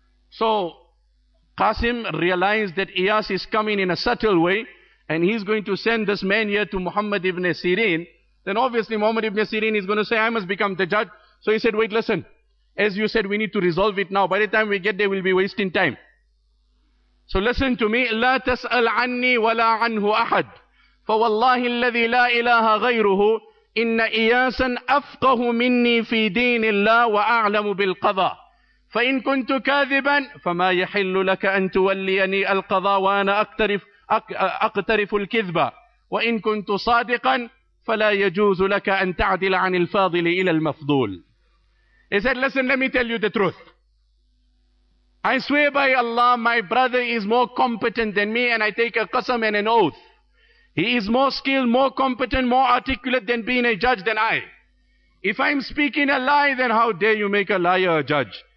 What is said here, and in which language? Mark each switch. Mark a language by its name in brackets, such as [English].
[English] So Qasim realized that Iyas is coming in a subtle way and he's going to send this man here to Muhammad ibn Sirin. Then obviously Muhammad ibn Sirin is going to say, I must become the judge. So he said, wait, listen, as you said, we need to resolve it now. By the time we get there, we'll be wasting time. So listen to me. [Arabic] لا تسأل عني ولا عنه أحد فوالله الذي لا إله غيره إن إياسا أفقه مني في دين الله وأعلم بالقضاء. فإن كنت كاذبا فما يحل لك أن توليني القضاء وأنا أقترف الكذبة وإن كنت صادقا فلا يجوز لك أن تعدل عن الفاضل إلى المفضول. [English] He said, listen, let me tell you the truth. I swear by Allah, my brother is more competent than me and I take a qasam and an oath. He is more skilled, more competent, more articulate than being a judge than I. If I'm speaking a lie, then how dare you make a liar a judge?